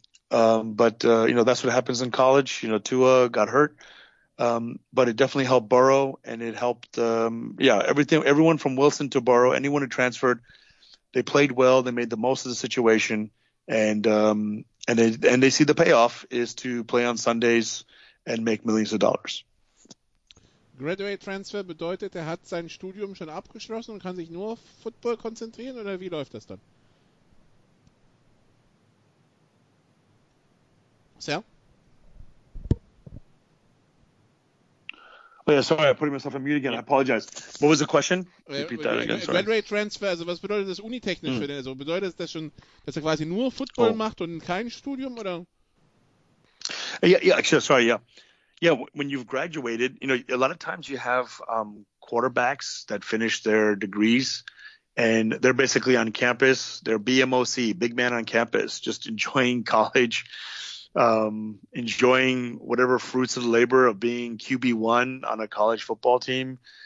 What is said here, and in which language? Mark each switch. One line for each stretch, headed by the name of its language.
English: You know, that's what happens in college. You know, Tua got hurt, but it definitely helped Burrow, and it helped, everyone from Wilson to Burrow, anyone who transferred, they played well, they made the most of the situation, and they see the payoff is to play on Sundays and make millions of dollars.
German: Graduate transfer bedeutet, er hat sein Studium schon abgeschlossen und kann sich nur auf Football konzentrieren, oder wie läuft das dann? Sal?
English: Oh yeah, sorry, I put myself on mute again. I apologize. What was the question? Repeat that again, sorry.
German: Graduate transfer, also was bedeutet das unitechnisch für den? Also bedeutet das schon, dass er quasi nur Football macht und kein Studium, oder?
English: Yeah, when you've graduated, you know, a lot of times you have quarterbacks that finish their degrees, and they're basically on campus. They're BMOC, big man on campus, just enjoying college. Enjoying whatever fruits of the labor of being QB1 on a college football team.